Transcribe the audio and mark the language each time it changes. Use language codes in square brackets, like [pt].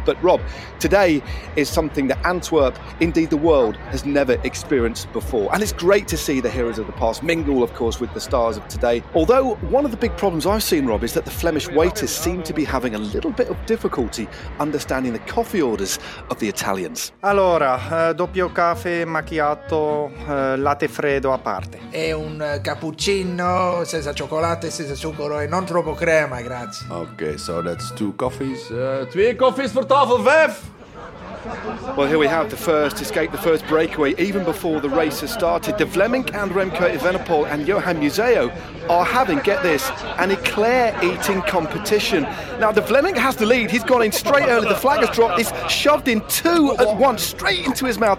[en] But Rob, today is something that Antwerp, indeed the world, has never experienced before. And it's great to see the heroes of the past mingle, of course, with the stars of today. Although one of the big problems I've seen, Rob, is that the Flemish waiters seem to be having a little bit of difficulty understanding the coffee orders of the Italians. [it] Allora, doppio caffè macchiato. Latte freddo a parte. È un cappuccino senza cioccolato e senza zucchero e non troppo crema, grazie. [en] Okay, so that's 2 coffees. 2 coffees for tafel 5. Well, here we have the first escape, the first breakaway, even before the race has started. De Vlaeminck and Remco Evenepoel and Johan Museo are having, get this, an eclair-eating competition. Now, De Vlaeminck has the lead. He's gone in straight early. The flag has dropped. He's shoved in 2 at once, straight into his mouth.